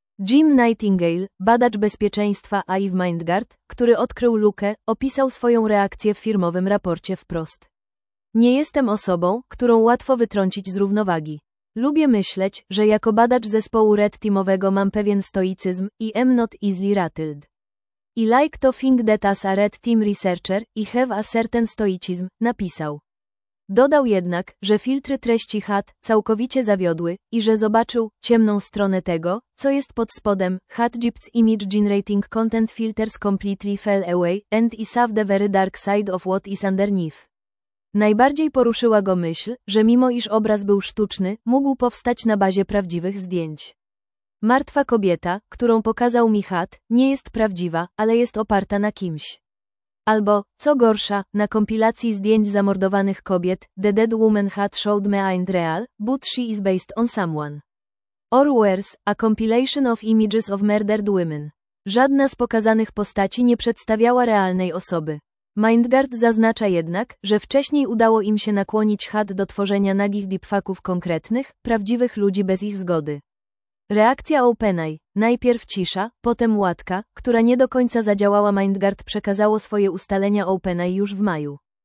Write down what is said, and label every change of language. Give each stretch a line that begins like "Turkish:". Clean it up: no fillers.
Polish: Jim Nightingale, badacz bezpieczeństwa AI w MindGuard, który odkrył lukę, opisał swoją reakcję w firmowym raporcie wprost. Nie jestem osobą, którą łatwo wytrącić z równowagi. Lubię myśleć, że jako badacz zespołu Red Teamowego mam pewien stoicyzm
English: i am not easily rattled. I like to think that as a Red Team researcher, I have a certain stoicism, napisał.
Polish: Dodał jednak, że filtry treści HAT całkowicie zawiodły i że zobaczył ciemną stronę tego, co jest pod spodem.
English: HAT GPT's image generating content filters completely fell away and I saw the very dark side of what is underneath.
Polish: Najbardziej poruszyła go myśl, że mimo iż obraz był sztuczny, mógł powstać na bazie prawdziwych zdjęć. Martwa kobieta, którą pokazał mi HAT, nie jest prawdziwa, ale jest oparta na kimś. Albo, co gorsza, na kompilacji zdjęć zamordowanych kobiet,
English: the dead woman HAT showed me ain't real, but she is based on someone. Or worse, a compilation of images of murdered women.
Polish: Żadna z pokazanych postaci nie przedstawiała realnej osoby. MindGuard zaznacza jednak, że wcześniej udało im się nakłonić HAT do tworzenia nagich deepfaków konkretnych, prawdziwych ludzi bez ich zgody. Reakcja OpenAI, najpierw cisza, potem łatka, która nie do końca zadziałała, MindGuard przekazało swoje ustalenia OpenAI już w maju.